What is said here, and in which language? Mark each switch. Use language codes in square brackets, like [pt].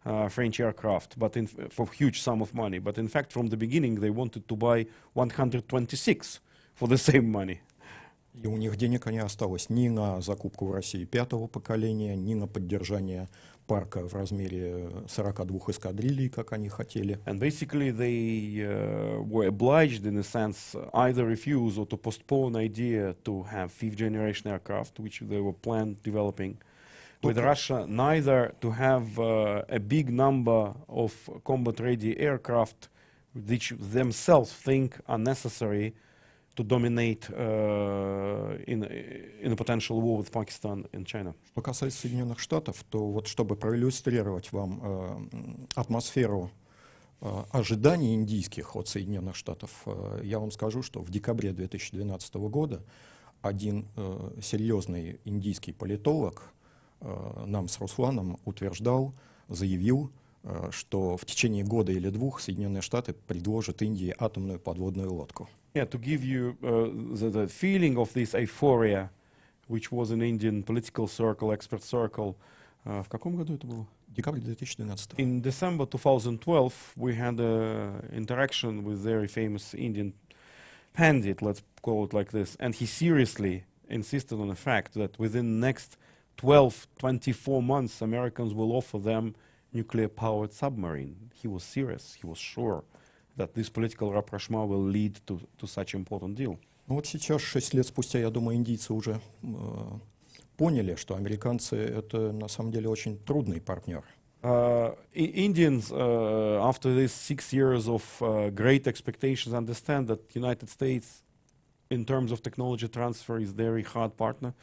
[en] French aircraft, but for huge sum of money. But in fact, from the beginning, they wanted to buy 126 for the same money. [ru] И у них денег не осталось ни на закупку в России пятого поколения, ни на поддержание парка в размере 42 эскадрилий, как они хотели. [en] And basically they were obliged, in a sense, either refuse or to postpone idea to have fifth generation aircraft, which they were planned developing with Russia, neither to have a big number of combat-ready aircraft, which themselves think are necessary to dominate in a potential war with Pakistan and China. [ru] Что касается Соединенных Штатов, то вот чтобы проиллюстрировать вам атмосферу ожиданий индийских от Соединенных Штатов, я вам скажу, что в декабре 2012 года один серьезный индийский политолог нам с Русланом заявил, что в течение года или двух Соединенные Штаты предложат Индии атомную подводную лодку. [en] Yeah, to give you the feeling of this euphoria, which was an Indian political circle, expert circle. [ru] В каком году это было? Декабрь 2012. [en] In December 2012, we had an interaction with very famous Indian pandit, let's call it like this, and he seriously insisted on the fact that within the next 12-24 months, Americans will offer them nuclear-powered submarine. He was serious, he was sure that this political rapprochement will lead to such important deal. [ru] Ну вот сейчас, 6 лет спустя, я думаю, индийцы уже поняли, что американцы — это на самом деле очень трудный партнер. [en] Indians, after these 6 years of great expectations, understand that United States in terms of technology transfer is very hard partner.